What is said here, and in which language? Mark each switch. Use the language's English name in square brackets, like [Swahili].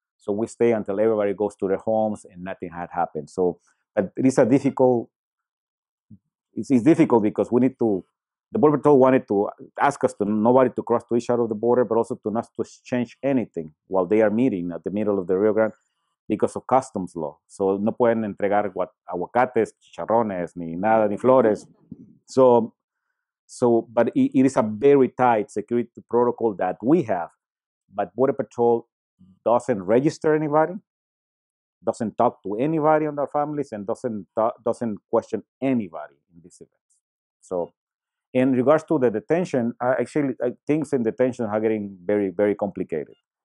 [English] So we stay until everybody goes to their homes and nothing had happened. So it's difficult because the Border Patrol wanted to ask us to nobody to cross to each other of the border, but also to not to exchange anything while they are meeting at the middle of the Rio Grande because of customs law. [Spanish] So no pueden entregar aguacates, chicharrones, ni nada, ni flores. [English] But it is a very tight security protocol that we have, but Border Patrol doesn't register anybody, doesn't talk to anybody on their families, and doesn't question anybody in this event. So in regards to the detention, things in detention are getting very, very complicated.